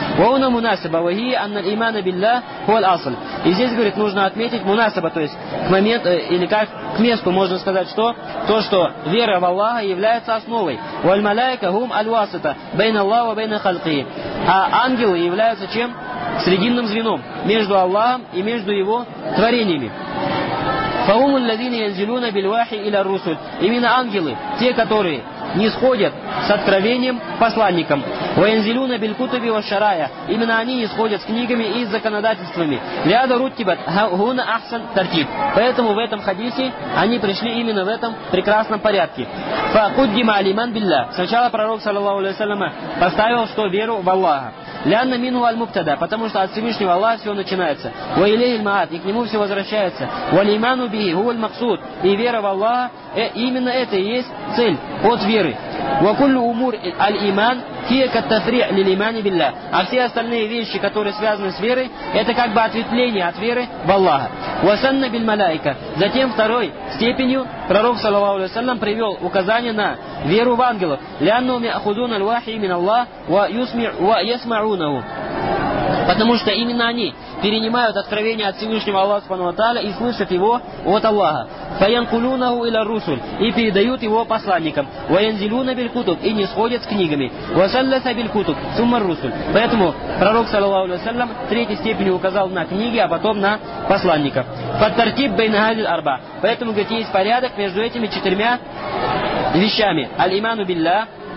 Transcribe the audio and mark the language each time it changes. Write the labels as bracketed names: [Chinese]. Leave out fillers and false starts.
[Arabic] Вауна мунасаба, ваги анна имана билля хуаль асль. [Russian] И здесь, говорит, нужно отметить мунасаба, то есть к моменту, или как к месту можно сказать, что то, что вера в Аллаха является основой. [Arabic] Валь малайка хум аль васата, бейн Аллах ва бейн халькихи. [Russian] А ангелы являются чем? Срединным звеном между Аллахом и между его творениями. [Arabic] فهم الذين ينزلون بالوحي إلى الرسل. [Russian] Именно ангелы, те, которые нисходят с откровением посланникам. [Arabic] وينزلون بالكتب والشرايا. [Russian] Именно они нисходят с книгами и с законодательствами. [Arabic] لهذا رتبت هنا أحسن ترتيب. [Russian] Поэтому в этом хадисе они пришли именно в этом прекрасном порядке. [Arabic] فقدم الإيمان بالله. [Russian] Сначала пророк саллаллаху алейхи ва саллям поставил, что веру в Аллаха. [Arabic] لأن منه المبتدا, [Russian] потому что от Всевышнего Аллаха все начинается. [Arabic] وإليه المآب, [Russian] и к нему все возвращается. [Arabic] والإيمان به هو المقصود, [Russian] и вера в Аллаха, именно это и есть цель от веры. [Arabic] وكل أمور الإيمان هي كالتفريع للإيمان بالله. [Russian] А все остальные вещи, которые связаны с верой, это как бы ответвление от веры в Аллаха. [Arabic] وسن بالملائكة. [Russian] Затем второй степенью пророк [Arabic] صلى الله عليه وسلم [Russian] привел указание на веру в ангелов. [Arabic] لأنهم يأخذون الوحي من الله ويسمعونه. [Russian] Потому что именно они перенимают откровение от Всевышнего Аллаха Субхану ва Тааля и слышат его от Аллаха. [Arabic] فَيَنْقُلُونَهُ إِلَى الرُّسُلِ, [Russian] и передают его посланникам. [Arabic] وَيَنْزِلُونَ بِالْكُتُبِ, [Russian] и нисходят с книгами. [Arabic] وَثَلَّثَ بِالْكُتُبِ ثُمَّ الرُّسُلِ. [Russian] Поэтому пророк саллаллаху алейхи ва саллям третьей степенью указал на книги, а потом на посланников. [Arabic] فَالتَّرْتِيبُ بَيْنَ هَذِهِ الْأَرْبَعِ. [Russian] Поэтому, говорит, есть порядок между этими четырьмя вещами. [Arabic] Аль-Иману Билля.